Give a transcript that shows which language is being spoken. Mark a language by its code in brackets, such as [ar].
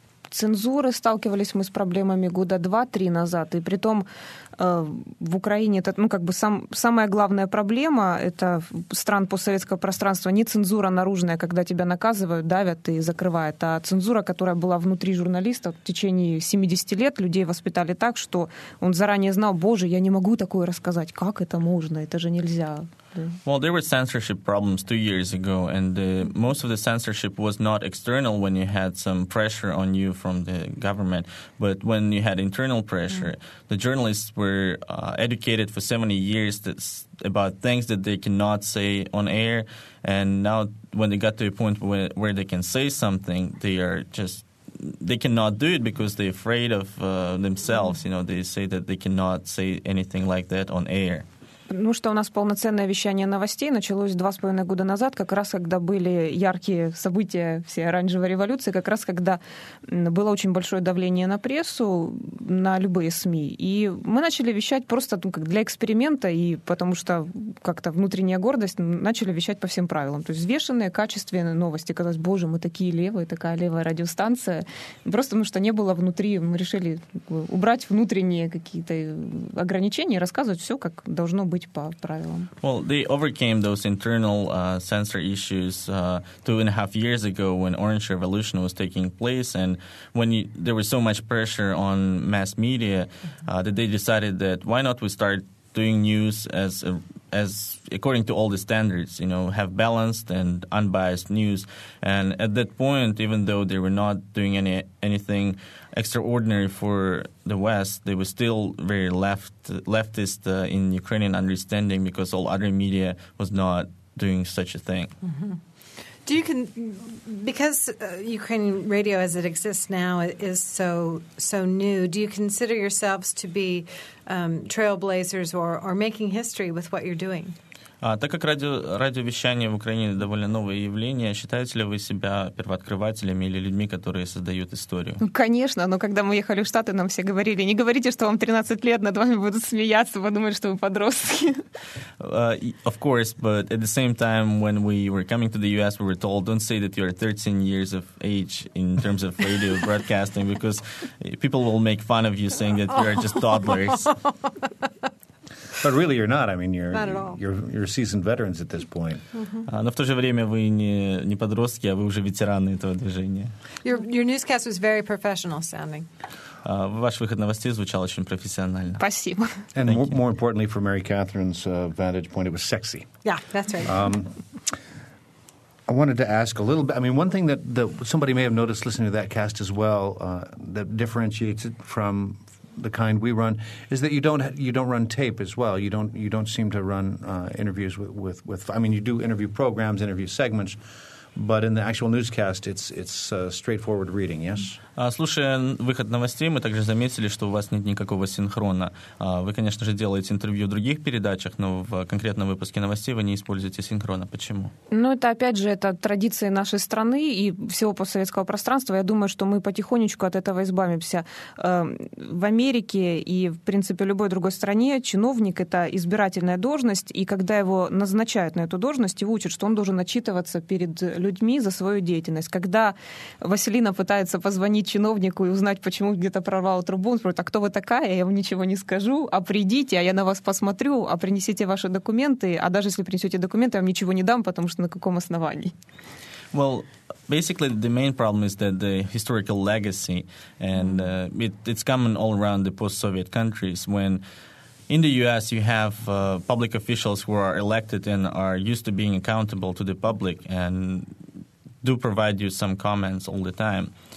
[ru] Цензуры сталкивались мы с проблемами года 2-3 назад, и при том в Украине это, самая главная проблема это стран постсоветского пространства не цензура наружная, когда тебя наказывают, давят и закрывают, а цензура, которая была внутри журналиста в течение 70 лет, людей воспитали так, что он заранее знал, боже, я не могу такое рассказать, как это можно, это же нельзя. [en] Well, there were censorship problems 2 years ago, and most of the censorship was not external when you had some pressure on you from the government, but when you had internal pressure, the journalists were educated for 70 years about things that they cannot say on air, and now when they got to a point where they can say something, they cannot do it because they're afraid of themselves. You know, they say that they cannot say anything like that on air. [ru] Ну что, у нас полноценное вещание новостей началось 2.5 года назад, как раз когда были яркие события всей оранжевой революции, как раз когда было очень большое давление на прессу, на любые СМИ. И мы начали вещать просто для эксперимента, и потому что как-то внутренняя гордость, начали вещать по всем правилам. То есть взвешенные, качественные новости. Казалось, боже, мы такие левые, такая левая радиостанция. Просто потому что не было внутри, мы решили убрать внутренние какие-то ограничения и рассказывать все, как должно быть. [en] Well, they overcame those internal censor issues 2.5 years ago when Orange Revolution was taking place and there was so much pressure on mass media that they decided that why not we start doing news as according to all the standards, you know, have balanced and unbiased news. And at that point, even though they were not doing anything extraordinary for the West, they were still very leftist in Ukrainian understanding because all other media was not doing such a thing. Mm-hmm. Because Ukrainian radio as it exists now is so new, do you consider yourselves to be trailblazers or making history with what you're doing? [ru] Так как радиовещание в Украине довольно новое явление, считаете ли вы себя первооткрывателями или людьми, которые создают историю? Ну, конечно, но когда мы ехали в Штаты, нам все говорили, не говорите, что вам 13 лет, над вами будут смеяться, подумают, что вы подростки. [en] Of course, but at the same time, when we were coming to the U.S., we were told, don't say that you are 13 years of age in terms of radio broadcasting, because people will make fun of you saying that you are just toddlers. But really, you're not. I mean, you're seasoned veterans at this point. Mm-hmm. [ru] Но в то же время вы не подростки, а вы уже ветераны этого движения. [en] Your newscast was very professional sounding. [ru] Ваш выход новостей звучал очень профессионально. Спасибо. [en] And more importantly, from Mary Catherine's vantage point, it was sexy. Yeah, that's right. I wanted to ask a little bit. I mean, one thing that somebody may have noticed listening to that cast as well that differentiates it from the kind we run is that you don't run tape as well. You don't seem to run interviews with. I mean, you do interview programs, interview segments, but in the actual newscast, it's straightforward reading. Yes. Mm-hmm. [ru] Слушая выход новостей, мы также заметили, что у вас нет никакого синхрона. Вы, конечно же, делаете интервью в других передачах, но в конкретном выпуске новостей вы не используете синхрона. Почему? Ну, это, опять же, это традиция нашей страны и всего постсоветского пространства. Я думаю, что мы потихонечку от этого избавимся. В Америке и, в принципе, в любой другой стране чиновник — это избирательная должность, и когда его назначают на эту должность, его учат, что он должен отчитываться перед людьми за свою деятельность. Когда Василина пытается позвонить чиновнику и узнать, почему где-то прорвало трубу. Он спрашивает, а кто вы такая? Я вам ничего не скажу. А придите, а я на вас посмотрю, а принесите ваши документы. А даже если принесете документы, я вам ничего не дам, потому что на каком основании? [en] Well, basically, the main problem is that the historical legacy, and it's common all around the post-Soviet countries, when in the U.S., you have public officials who are elected and are used to being accountable to the public and do provide you some comments all the time.